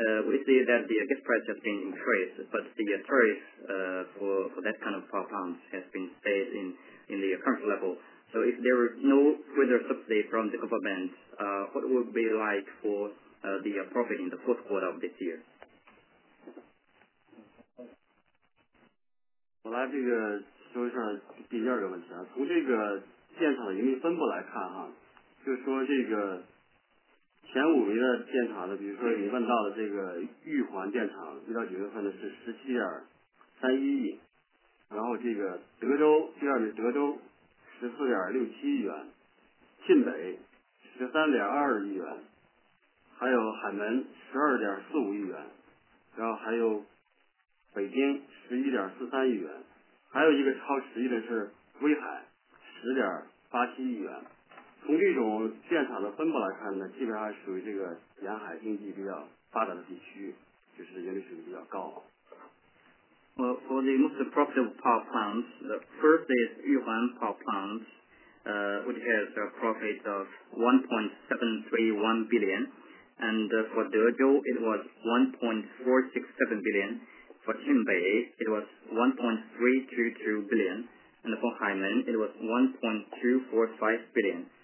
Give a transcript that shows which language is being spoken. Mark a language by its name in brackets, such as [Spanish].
[English] We see that the gas price has been increased, but the tariff for that kind of power plants has been stayed in the current level. So if there is no further subsidy from the government, what would it be like for the profit in the fourth quarter of this year? [Chinese] 我来这个说一下第二个问题啊，从这个电厂的盈利分布来看哈，就是说这个前五名的电厂的，比如说你问到的这个玉环电厂，一到九月份的是17.31亿，然后这个德州第二名德州14.67亿元，晋北13.22亿元，还有海门12.45亿元，然后还有北京11.43亿元，还有一个超十亿的是威海10.87亿元。从这种电厂的分布来看呢，基本上属于这个沿海经济比较发展的地区，就是盈利水平比较高。 [English] Well, for the most profitable power plants, the first is Yuhuan power plant, which has a profit of 1.731 billion, and for Dezhou it was 1.467 billion. For Qinbei, it was 1.322 billion, and for Haimen, it was 1.245 billion.